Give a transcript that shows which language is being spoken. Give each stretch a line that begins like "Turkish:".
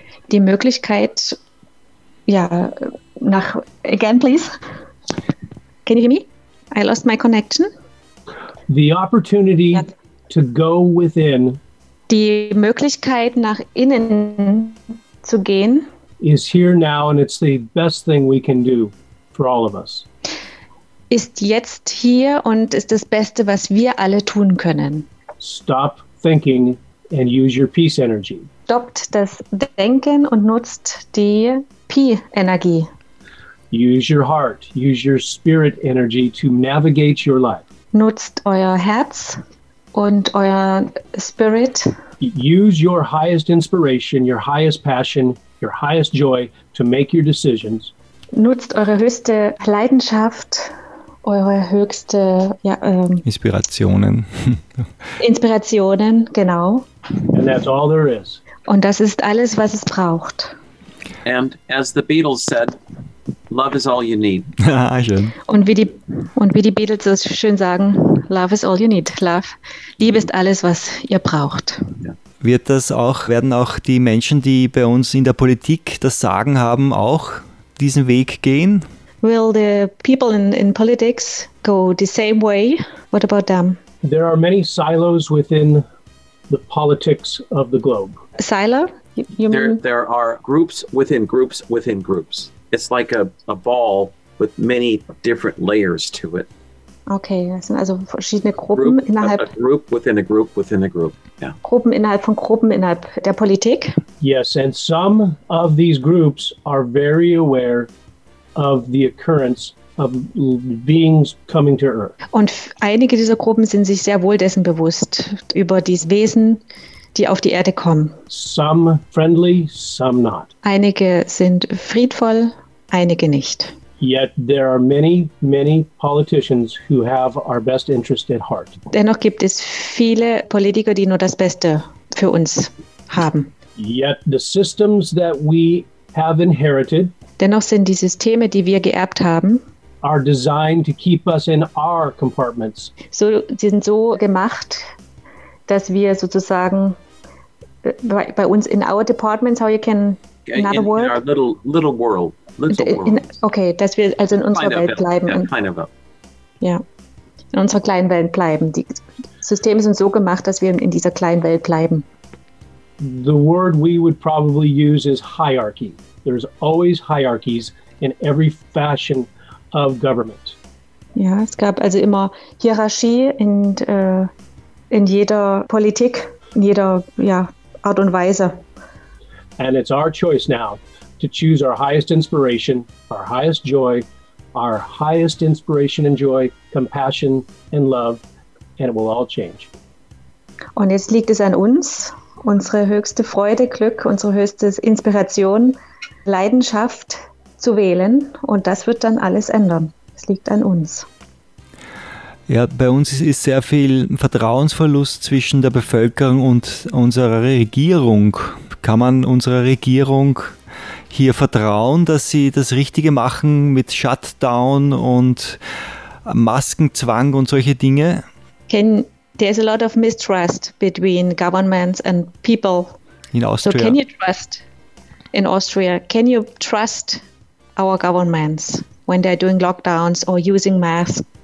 German: Die Möglichkeit, ja, nach,
English: again, please. Can you hear me? I lost my connection. The opportunity to go within.
German: Die Möglichkeit, nach innen zu gehen.
English: Is here now and it's the best thing we can do for all of us.
German: Ist jetzt hier und ist das Beste, was wir alle tun können.
English: Stop thinking and use your peace energy.
German: Stoppt das Denken und nutzt die Pi-Energie.
English: Use your heart, use your spirit energy to navigate your life.
German: Nutzt euer Herz und euer Spirit.
English: Use your highest inspiration, your highest passion, your highest joy to make your decisions.
German: Nutzt eure höchste Leidenschaft, eure höchste Inspirationen. Inspirationen, genau.
English: And that's all there is.
German: Und das ist alles, was es braucht.
English: And as the Beatles said, love is all you need.
German: Schön. Und wie die Beatles so schön sagen,
English: love is all you need.
German: Liebe ist alles, was ihr braucht.
English: Yeah.
German: Werden auch die Menschen, die bei uns in der Politik das Sagen haben, auch diesen Weg gehen?
English: Will the people in politics go the same way? What about them? There are many silos within the politics of the globe. Silo? There are groups within groups within groups. It's like a ball with many different layers to it.
German: Okay, es sind also verschiedene Gruppen innerhalb.
English: A group within a group within a group. Yeah.
German: Gruppen innerhalb von Gruppen innerhalb der Politik.
English: Yes, and some of these groups are very aware of the occurrence of beings coming to Earth.
German: Und einige dieser Gruppen sind sich sehr wohl dessen bewusst über diese Wesen, die auf die Erde kommen.
English: Some friendly, some not.
German: Einige sind friedvoll, einige nicht.
English: Yet there are many, many politicians who have our best interest at heart.
German: Dennoch gibt es viele Politiker, die nur das Beste für uns haben.
English: Yet the systems that we have inherited.
German: Dennoch sind die Systeme, die wir geerbt haben,
English: are designed to keep us in our compartments.
German: So, sie sind so gemacht, dass wir sozusagen bei uns
English: in our departments, how you can in our little world.
German: Okay, dass wir also in unserer Welt bleiben. Ja, kleine Welt. Ja, in unserer kleinen Welt bleiben. Die Systeme sind so gemacht, dass wir in dieser kleinen Welt bleiben.
English: The word we would probably use is hierarchy. There's always hierarchies in every fashion of government.
German: Ja, es gab also immer Hierarchie in jeder Politik, in jeder Art und Weise.
English: And it's our choice now to choose our highest inspiration, our highest joy, our highest inspiration and joy, compassion and love, and it will all change.
German: Und jetzt liegt es an uns, unsere höchste Freude, Glück, unsere höchste Inspiration, Leidenschaft zu wählen, und das wird dann alles ändern. Es liegt an uns. Ja, bei uns ist sehr viel Vertrauensverlust zwischen der Bevölkerung und unserer Regierung. Kann man unserer Regierung hier vertrauen, dass sie das Richtige machen mit Shutdown und Maskenzwang und solche Dinge?
English: There's a lot of mistrust between governments and people. In Austria. So can you trust in Austria? Can you trust our governments when they're doing lockdowns or using masks?